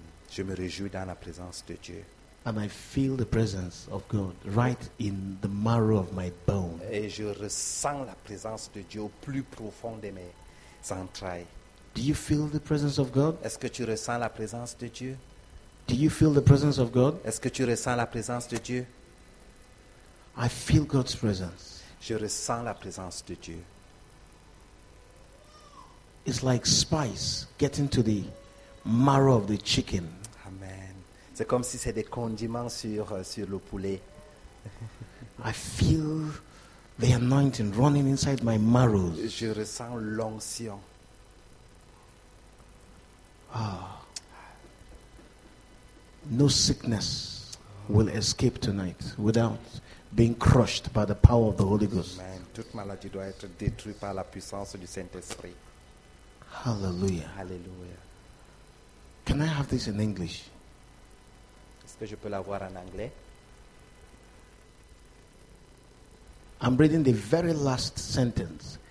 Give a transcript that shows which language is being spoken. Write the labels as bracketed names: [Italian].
[French] Je me réjouis dans la présence de Dieu. [English] And I feel the presence of God right in the marrow of my bone. [French] Et je ressens la présence de Dieu au plus profond de mes entrailles. [English] Do you feel the presence of God? [French] Est-ce que tu ressens la présence de Dieu? [English] Do you feel the presence of God? [French] Est-ce que tu ressens la présence de Dieu? [English] I feel God's presence. [French] Je ressens la présence de Dieu. [English] It's like spice getting to the marrow of the chicken. Amen. [French] C'est comme si c'est des condiments sur le poulet. [English] I feel the anointing running inside my marrow. [French] Je ressens l'onction. Ah. [English] No sickness will escape tonight without being crushed by the power of the Holy Ghost. Amen. [French] Toute maladie doit être détruite par la puissance du Saint-Esprit. [English] Hallelujah. Hallelujah. Can I have this in English? [French] Est-ce que je peux l'avoir en anglais? [English] I'm reading the very last sentence.